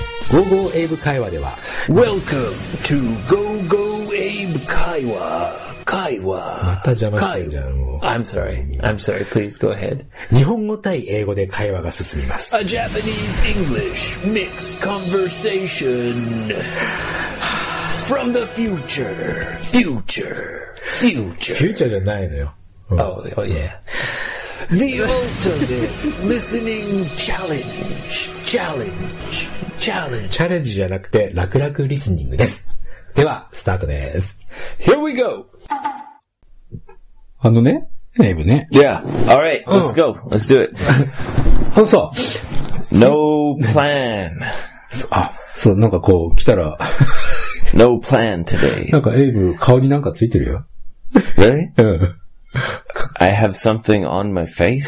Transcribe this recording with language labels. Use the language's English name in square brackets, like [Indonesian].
[Japanese] Go Go Abe 会話では [English] Welcome to Go Go Abe 会話会話 [Japanese] また邪魔してんじゃん。 [English] I'm sorry. Please go ahead. [Japanese] 日本語対英語で会話が進みます。 [English] A Japanese English mixed conversation from the future. Future. [Japanese] Future じゃないのよ。 [English] The ultimate listening challenge. [Japanese] チャレンジじゃなくて楽々リスニングです。ではスタートです。 [English] Here we go. [Japanese] あのね。エイブね。 [English] Yeah. All right. Let's go. Let's do it. [Japanese] あのさ、 [English] No plan. [Japanese] あ、そう、なんかこう、来たら。 [English] No plan today. [Japanese] なんかエイブ、顔になんかついてるよ。 [English] Really? [Japanese] うん。 [English] I have something on my face?